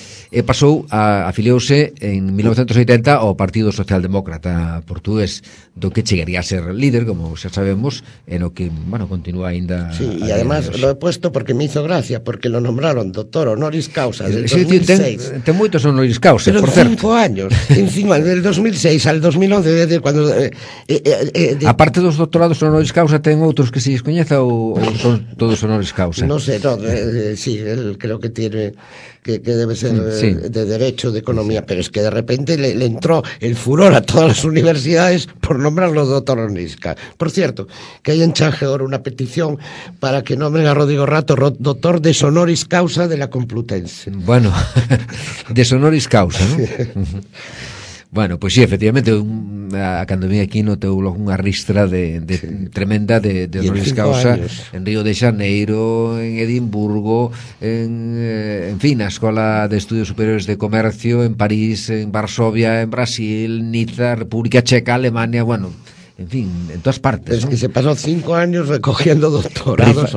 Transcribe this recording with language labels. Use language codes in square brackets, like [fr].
[gl] e pasou a afiliouse en 1980 ao Partido Socialdemócrata Portugués, do que chegaría a ser líder, como xa sabemos, e no que, bueno, continúa aínda. [es] Sí, e además lo he puesto porque me hizo gracia, porque lo nombraron doctor honoris causa del 2006. [gl] Ten moitos honoris causa, pero [es] por cierto. 5 años, encima del 2006 al 2011, desde cuando [gl] aparte dos doutorados honoris causa, ten outros que se descoñeza ou son todos honoris causa. [es] No sé, no, sí, él creo que tiene que debe ser sí. De derecho, de economía, pero es que de repente le entró el furor a todas las universidades por nombrarlo doctor honoris causa. Por cierto, que hay en Changeor una petición para que nombren a Rodrigo Rato doctor de honoris causa de la Complutense. Bueno, de honoris causa, ¿no? Sí. [gl] Bueno, pois pues sí, efectivamente, a Candomía aquí no teu logo unha ristra de sí. Tremenda de honoris causa en Río de Xaneiro, en Edimburgo, en fin, na Escola de Estudios Superiores de Comercio, en París, en Varsovia, en Brasil, Niza, República Checa, Alemania, bueno, en fin, en todas partes. [es] Es, ¿no?, que se pasó 5 años recogiendo doctorados.